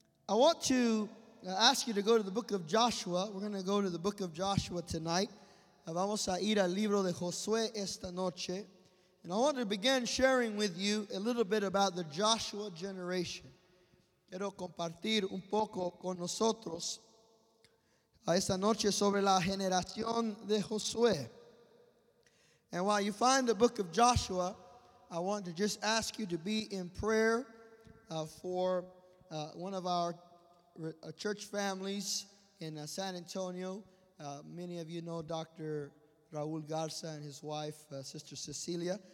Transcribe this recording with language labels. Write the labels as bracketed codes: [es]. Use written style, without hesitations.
[en] I want to ask you to go to the book of Joshua. We're going to go to the book of Joshua tonight. [es] Vamos a ir al libro de Josué esta noche. [en] And I want to begin sharing with you a little bit about the Joshua generation. [es] Quiero compartir un poco con nosotros esta noche sobre la generación de Josué. [en] And while you find the book of Joshua, I want to just ask you to be in prayer for one of our church families in San Antonio. Many of you know Dr. Raul Garza and his wife, Sister Cecilia.